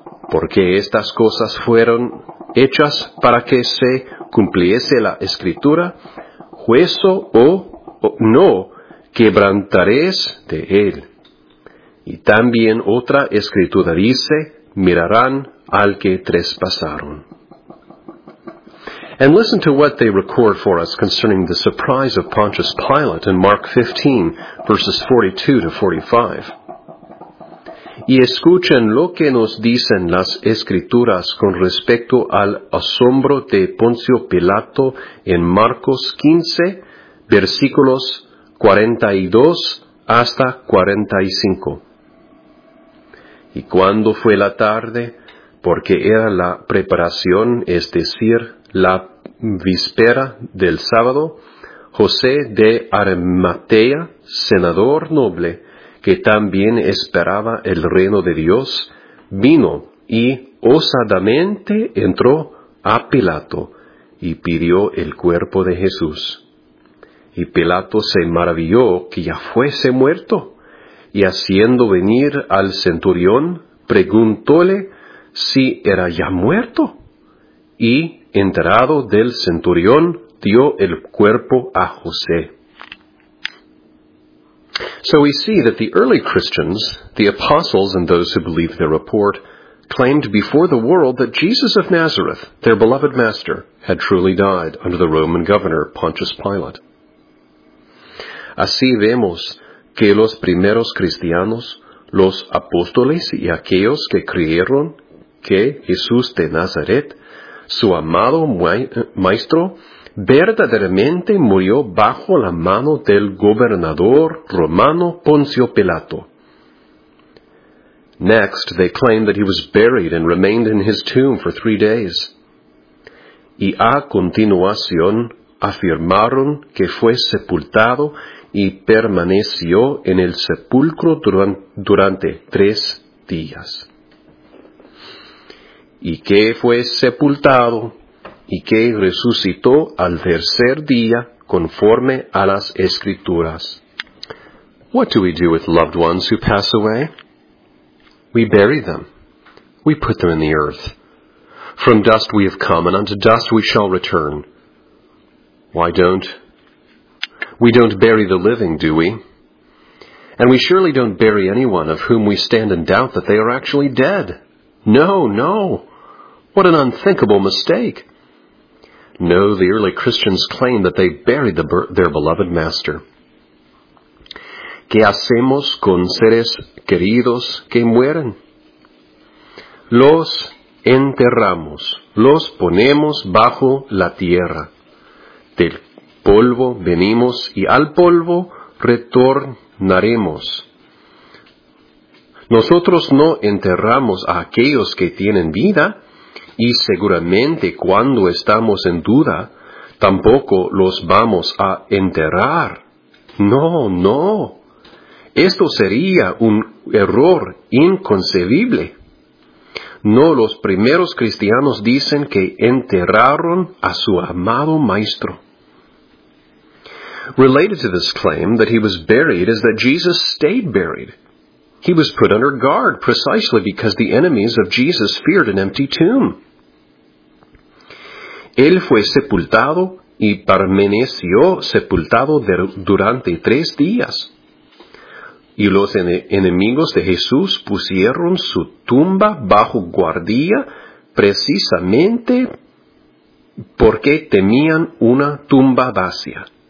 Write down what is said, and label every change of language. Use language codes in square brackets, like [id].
[es] Porque estas cosas fueron hechas para que se cumpliese la Escritura, juezo o no quebrantaréis de él. Y también otra Escritura dice, mirarán al que trespasaron. [en] And listen to what they record for us concerning the surprise of Pontius Pilate in Mark 15, verses 42 to 45. [es] Y escuchen lo que nos dicen las Escrituras con respecto al asombro de Poncio Pilato en Marcos 15, versículos 42 hasta 45. Y cuando fue la tarde, porque era la preparación, es decir, la víspera del sábado, José de Arimatea, senador noble, que también esperaba el reino de Dios, vino y osadamente entró a Pilato y pidió el cuerpo de Jesús. Y Pilato se maravilló que ya fuese muerto, y haciendo venir al centurión, preguntóle si era ya muerto. Y, enterado del centurión, dio el cuerpo a José. [en] So we see that the early Christians, the apostles and those who believed their report, claimed before the world that Jesus of Nazareth, their beloved master, had truly died under the Roman governor Pontius Pilate. [es] Así vemos que los primeros cristianos, los apóstoles y aquellos que creyeron que Jesús de Nazaret, su amado maestro, verdaderamente murió bajo la mano del gobernador romano Poncio Pilato. [en] Next, they claimed that he was buried and remained in his tomb for 3 days. [es] Y a continuación, afirmaron que fue sepultado y permaneció en el sepulcro durante 3 días. Y que fue sepultado y que resucitó al tercer día conforme a las Escrituras. [en] What do we do with loved ones who pass away? We bury them. We put them in the earth. From dust we have come, and unto dust we shall return. We don't bury the living, do we? And we surely don't bury anyone of whom we stand in doubt that they are actually dead. No. What an unthinkable mistake. No, the early Christians claimed that they buried their beloved master. [es] ¿Qué hacemos con seres queridos que mueren? Los enterramos, los ponemos bajo la tierra. Del polvo venimos y al polvo retornaremos. Nosotros no enterramos a aquellos que tienen vida, y seguramente cuando estamos en duda, tampoco los vamos a enterrar. No. Esto sería un error inconcebible. No, los primeros cristianos dicen que enterraron a su amado maestro. [en] Related to this claim that he was buried is that Jesus stayed buried. He was put under guard precisely because the enemies of Jesus feared an empty tomb. [es] Él fue sepultado y permaneció sepultado durante 3 días. Y los enemigos de Jesús pusieron su tumba bajo guardia precisamente porque temían una tumba vacía.